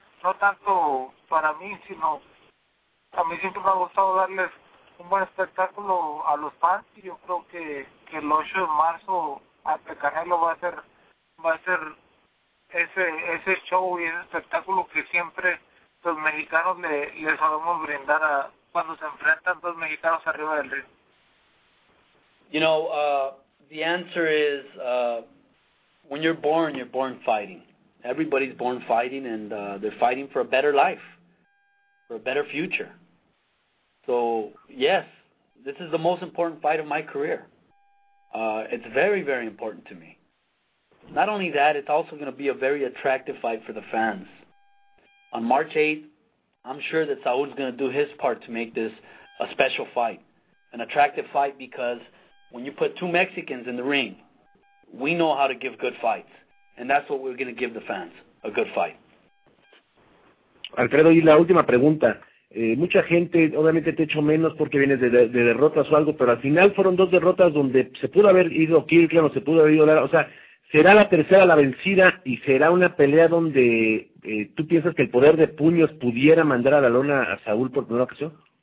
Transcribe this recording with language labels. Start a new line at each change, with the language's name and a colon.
Spanish: No tanto para mí, sino a mí siempre me ha gustado darles un buen espectáculo a los fans, y yo creo que el 8 de marzo ante Canelo va a ser ese show y ese espectáculo que siempre los mexicanos les sabemos brindar a cuando se enfrentan dos mexicanos arriba del ring.
English: You know, the answer is, when you're born fighting. Everybody's born fighting, and they're fighting for a better life, for a better future. So, yes, this is the most important fight of my career. It's very, very important to me. Not only that, it's also going to be a very attractive fight for the fans. On March 8th, I'm sure that Saúl's going to do his part to make this a special fight, an attractive fight, because when you put two Mexicans in the ring, we know how to give good fights. And that's what we're going to give the fans, a good fight.
Spanish: Alfredo, y la última pregunta. Mucha gente, obviamente, te echo menos porque vienes de derrotas o algo, pero al final fueron dos derrotas donde se pudo haber ido Kirkland o se pudo haber ido... O sea, ¿será la tercera la vencida y será una pelea donde tú piensas que el poder de puños pudiera mandar a la lona a Saúl por primera ocasión?